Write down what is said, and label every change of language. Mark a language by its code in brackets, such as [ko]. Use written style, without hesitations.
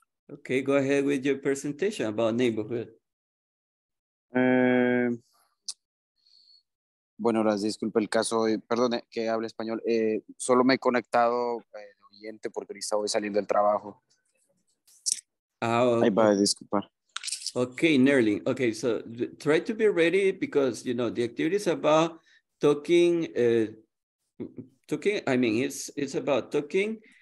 [en] Okay, go ahead with your presentation about neighborhood. [es] Bueno, las disculpe el caso, perdone que hable español. Solo me he conectado de oyente porque ahorita voy saliendo del trabajo. [en] Ah, okay. [es] Ahí va, disculpa. [en] Okay, Nerling. Okay, so try to be ready because, you know, the activity is about talking. It's about talking.